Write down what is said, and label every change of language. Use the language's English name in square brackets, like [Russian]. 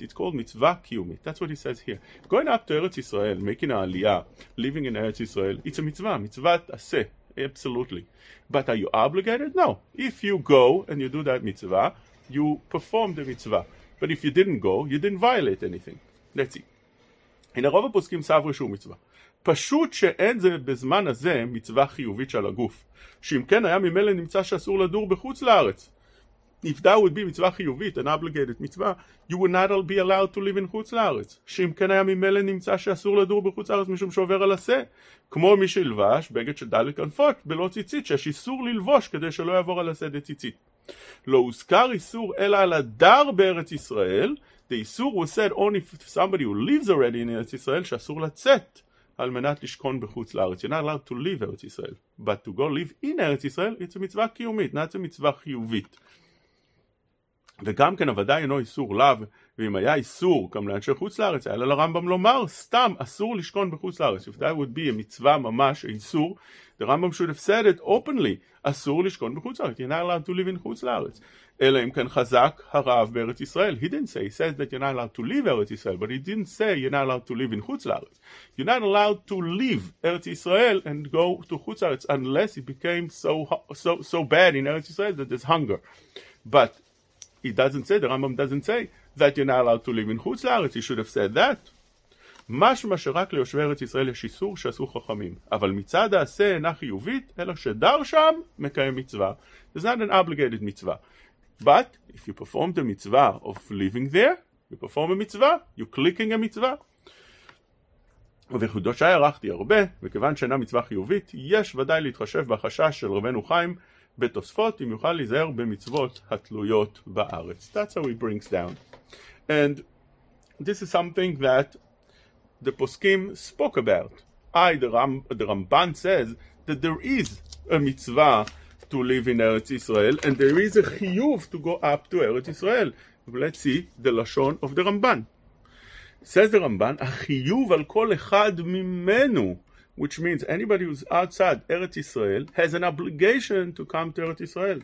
[English] It's called mitzvah kiyumit. That's what he says here. Going up to Eretz Yisrael, making an aliyah, living in Eretz Yisrael, it's a mitzvah. Mitzvah aseh. Absolutely. But are you obligated? No. If you go and you do that mitzvah, you perform the mitzvah. But if you didn't go, you didn't violate anything. Let's see. In a rov poskim savri shu mitzvah. [Hebrew] פשוט שאין זה בזמן הזה מצווה חיובית של הגוף. שאם כן היה ממילא נמצא שאסור לדור בחוץ לארץ. [English] If that would be מצווה חיובית, an obligated מצווה, you would not be allowed to live in חוץ לארץ. [Hebrew] שאם כן היה ממילא נמצא שאסור לדור בחוץ לארץ משום שעובר על עשה. כמו מי שילבש בגד של דלת כנפות בלא ציצית, שיש איסור ללבוש כדי שלא יעבור על עשה דציצית. לא הוזכר איסור אלא על הדר בארץ ישראל. [English] The איסור was said only if somebody who lives already in ארץ ישראל [Hebrew] שאסור לצאת. על מנת לשכון בחוץ לארץ. [English] You're not allowed to live ארץ ישראל. But to go live in ארץ ישראל, it's a מצווה קיומית, not a מצווה חיובית. [Hebrew] וגם כן, ודאי אינו איסור לב, ואם היה איסור, גם לאנשי חוץ לארץ, היה לרמב״ם לומר, סתם אסור לשכון בחוץ לארץ. [English] If that would be a מצווה ממש, איסור, the Rambam should have said it openly, [Hebrew] אסור לשכון בחוץ לארץ. [English] You're not allowed to live in חוץ לארץ. [Hebrew] אלא אם כן חזק הרב בארץ ישראל. [English] He didn't say, he says that you're not allowed to live ארץ ישראל, but he didn't say you're not allowed to live in חוץ לארץ. You're not allowed to leave ארץ ישראל and go to חוץ לארץ, unless it became so bad in ארץ ישראל that there's hunger. But he doesn't say, the Rambam doesn't say, that you're not allowed to live in חוץ לארץ. He should have said that. [Hebrew] משמע שרק ליושבי ארץ ישראל יש איסור שעשו חכמים, אבל מצד העשה אינה חיובית, אלא שדר שם מקיים מצווה. [English] It's not an obligated מצווה. But if you perform the mitzvah of living there, you perform a mitzvah, you're clicking a mitzvah. [Hebrew] ובחודשה הערכתי הרבה, וכיוון שאינה מצווה חיובית, יש ודאי להתחשב בחשש של רבנו חיים בתוספות, אם יוכל להיזהר במצוות התלויות בארץ. [English] That's how he brings down. And this is something that the poskim spoke about. The Ramban says that there is a mitzvah to live in Eretz Israel, and there is a chiyuv to go up to Eretz Israel. Let's see the lashon of the Ramban. Says the Ramban, [Hebrew] החיוב על כל אחד ממנו, [English] which means anybody who's outside Eretz Israel has an obligation to come to Eretz Israel.